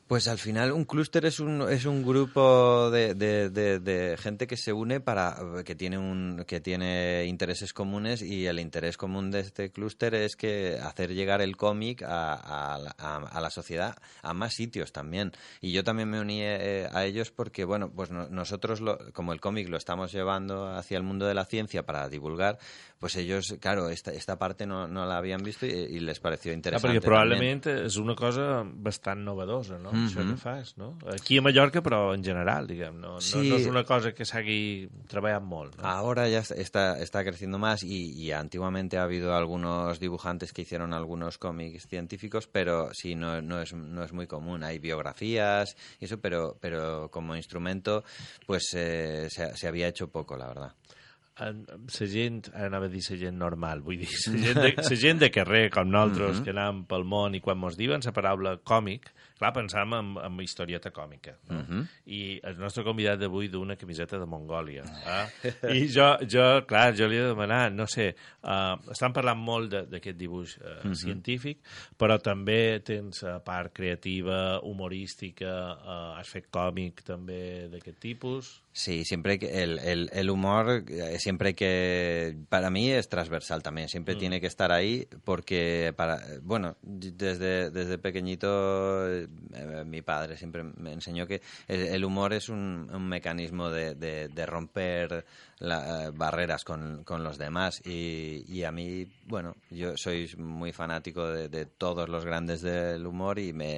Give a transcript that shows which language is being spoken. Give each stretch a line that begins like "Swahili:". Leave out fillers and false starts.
Spanish: Pues al final un clúster es un grupo de gente que se une que tiene intereses comunes, y el interés común de este clúster es que hacer llegar el cómic a la sociedad, a más sitios también, y yo también me uní a ellos porque, bueno, pues nosotros como el cómic lo estamos llevando hacia el mundo de la ciencia para divulgar, pues ellos, claro, esta parte no la habían visto y les pareció interesante. Porque probablemente es una cosa bastante novedosa, ¿no?
Catalan: Això que fas, no? Aquí a Mallorca, però en general, diguem, no és una cosa que s'hagi treballat molt. No?
Spanish: Ahora ya está creciendo más, y antiguamente ha habido algunos dibujantes que hicieron algunos cómics científicos, pero sí, no es muy común. Hay biografías y eso, pero como instrumento, pues se había hecho poco, la verdad.
Catalan: La gent, anava a dir la gent normal, vull dir, la gent de carrer, com nosaltres, que anàvem pel món, i quan mos diuen la paraula còmic, clar, pensàvem en historieta còmica. No? I el nostre convidat d'avui du una camiseta de Mongòlia. I jo li he de demanar, no sé, estan parlant molt d'aquest dibuix científic, però també tens part creativa, humorística, has fet còmic també d'aquest tipus...
Spanish: Sí, siempre que el humor, siempre que para mí es transversal también, siempre tiene que estar ahí, porque desde pequeñito mi padre siempre me enseñó que el humor es un mecanismo de romper barreras con los demás, y a mí, bueno, yo soy muy fanático de todos los grandes del humor y